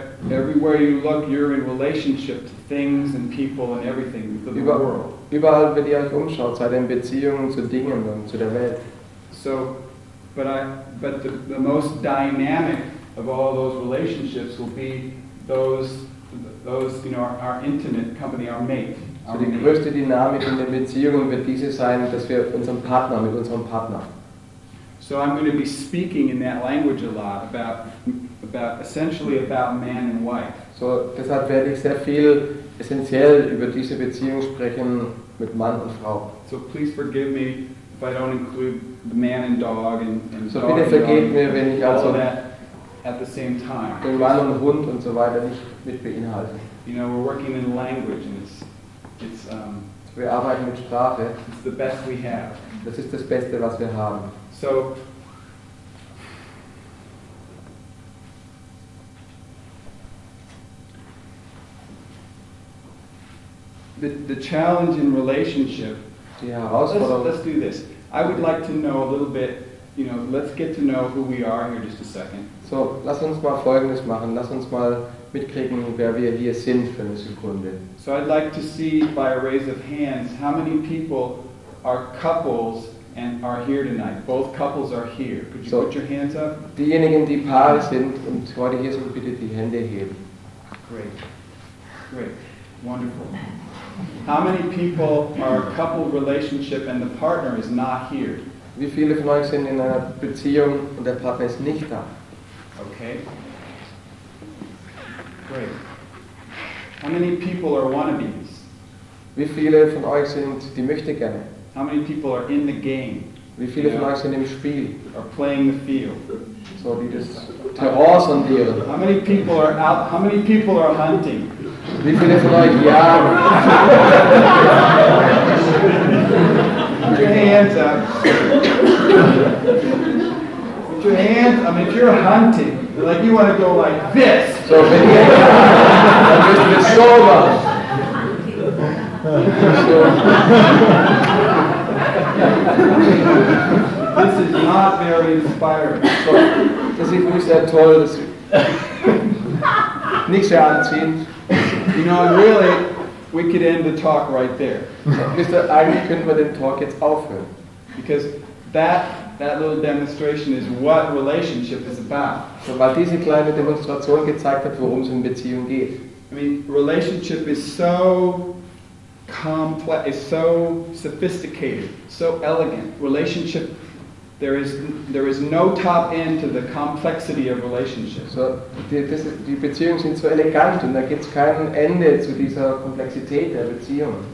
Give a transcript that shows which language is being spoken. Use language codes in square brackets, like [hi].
[en] everywhere you look, you're in relationship to things and people and everything to the world. [de] Überall, wenn ihr euch umschaut, seid ihr in Beziehungen zu Dingen und zu der Welt. [en] So, but the most dynamic of all those relationships will be our intimate company, our mate. [de] So die größte Dynamik in den Beziehungen wird diese sein, dass wir unseren Partner mit unserem Partner. [en] So I'm going to be speaking in that language a lot about essentially about man and wife. [de] So deshalb werde ich sehr viel essentiell über diese Beziehung sprechen mit Mann und Frau. [en] So please forgive me if I don't include the man and dog and [de] so bitte vergebt mir, wenn ich also [en] at the same time. [de] Den Mann und Hund und so weiter nicht mit beinhalte. [en] You know, we're working in language and it's [de] wir arbeiten mit Sprache. [en] It's the best we have. [de] Das ist das Beste, was wir haben. [en] So the challenge in relationship. Yeah, also let's do this. I would like to know a little bit, let's get to know who we are here just a second. [de] So, lass uns mal Folgendes machen. Lass uns mal mitkriegen, wer wir hier sind für eine Sekunde. [en] So I'd like to see by a raise of hands how many people are couples and are here tonight. Both couples are here. Could you put your hands up? [de] Diejenigen, die Paare sind und heute hier sind, bitte die Hände heben. [en] Great. Great. Wonderful. How many people are a couple relationship and the partner is not here? [de] Wie viele von euch sind in einer Beziehung und der Partner ist nicht da? [en] Okay. Great. How many people are wannabes? [de] Wie viele von euch sind die Möchtegerne? [en] How many people are in the game? [de] Wie viele von euch sind im Spiel? [en] Are playing the field? [de] So die das Terror sondieren. [en] How many people are out? How many people are hunting? [de] Wie viele von euch jagen? [en] Put your hands up. Put your hands. I mean, if you're hunting, like you want to go like this. So when you just so much. This is not very inspiring. So, [de] das ist nicht sehr toll. Das nicht sehr anziehend. [en] You know, really, we could end the talk right there. [de] Mister, eigentlich könnten wir den Talk jetzt aufhören. [en] Because that little demonstration is what relationship is about. [de] So, weil diese kleine Demonstration gezeigt hat, worum es in Beziehung geht. [en] I mean, relationship is so complex, is so sophisticated, so elegant. Relationship, there is no top end to the complexity of relationships. [de] So die Beziehungen sind so elegant und da gibt's kein Ende zu dieser Komplexität der Beziehung.